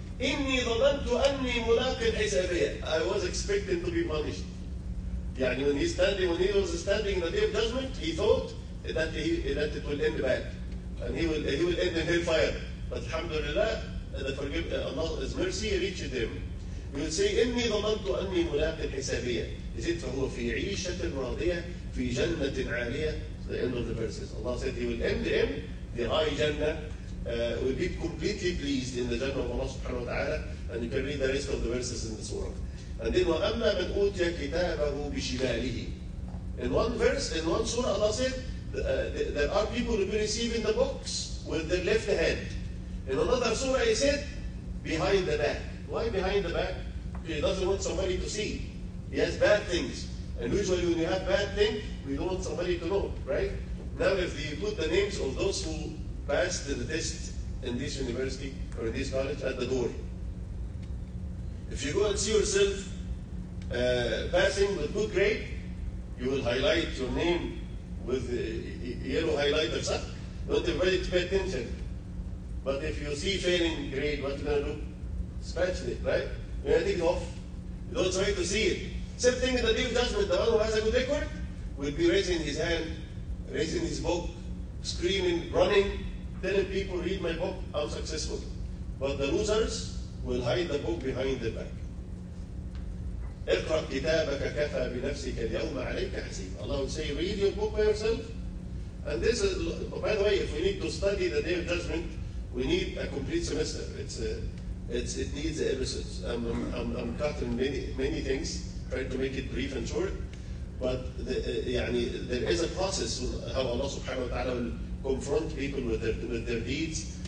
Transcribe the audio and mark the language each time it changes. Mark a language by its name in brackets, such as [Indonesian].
[Arabic] إِنِّي ظَنَنْتُ أَنِّي مُلَاقٍ حِسَابِيَهِ. [English] I was expecting to be punished. يعني when he was standing in the day of judgment, he thought that it will end bad. And he will end in hellfire. But alhamdulillah, Allah's mercy reached him. He will say, [Arabic] إِنِّي ظَنَنْتُ أَنِّي مُلَاقٍ حِسَابِيَهِ. [English] He said, [Arabic] فَهُوَ فِي عِيشَةٍ رَاضِيَةٍ فِي جَنَّةٍ عَالِيَةٍ. [English] The end of the verses. Allah said, he will end in the high Jannah. Will be completely pleased in the Jannah of Allah subhanahu wa ta'ala. And you can read the rest of the verses in the surah. And then, [Arabic] وَأَمَّا مَنْ أُوتِيَ كِتَابَهُ بِشِمَالِهِ. [English] In one verse, in one surah, Allah said, there are people who be receiving the books with their left hand. In another surah, he said, behind the back. Why behind the back? He doesn't want somebody to see. He has bad things. And usually when you have bad things, we don't want somebody to know, right? Now if you put the names of those who passed the test in this university or in this college at the door, if you go and see yourself passing with good grade, you will highlight your name with yellow highlighters. Not everybody to pay attention. But if you see failing grade, what are you going to do? Scratch it, right? You take it off. You don't try to see it. Same thing in the deep judgment. The one who has a good record will be raising his hand, raising his book, screaming, running, telling people, read my book, I'm successful. But the losers will hide the book behind their back. [Arabic] اقرأ كتابك كفى بنفسك اليوم عليك حسيب. [English] Allah will say, read your book by yourself. And this is, by the way, if we need to study the day of judgment, we need a complete semester. It needs episodes. I'm cutting many things, trying to make it brief and short. But there is a process how Allah subhanahu wa ta'ala will confront people with their deeds.